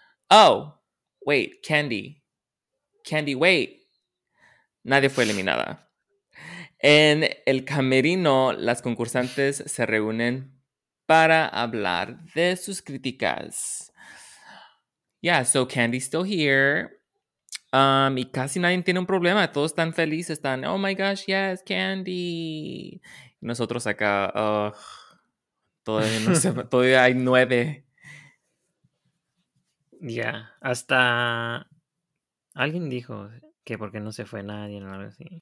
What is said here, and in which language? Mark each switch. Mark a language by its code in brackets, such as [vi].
[en] Oh. Wait. Candy, wait. [es] Nadie fue eliminada. En el camerino, las concursantes se reúnen para hablar de sus críticas. [en] Yeah, so Candy's still here. [es] Y casi nadie tiene un problema. Todos están felices. Están, [en] oh my gosh, yes, [es] Candy. Y nosotros acá, todavía, todavía hay 9. Yeah, hasta alguien dijo que porque no se fue nadie o algo así.